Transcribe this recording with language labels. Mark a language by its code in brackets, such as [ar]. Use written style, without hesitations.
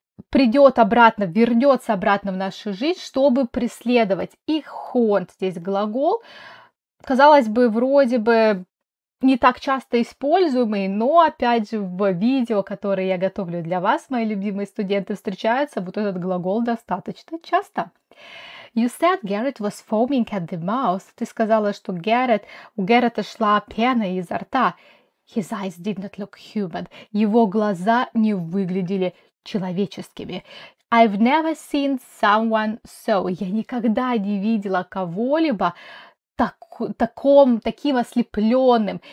[ru] Придет обратно, вернется обратно в нашу жизнь, чтобы преследовать. И haunt, здесь глагол, казалось бы, вроде бы, не так часто используемый, но, опять же, в видео, которое я готовлю для вас, мои любимые студенты, встречается вот этот глагол достаточно часто. [en] You said Garrett was foaming at the mouth. [ru] Ты сказала, что у Гаррета шла пена изо рта. [en] His eyes did not look human. [ru] Его глаза не выглядели человеческими. [en] I've never seen someone so. [ru] Я никогда не видела кого-либо таким ослепленным.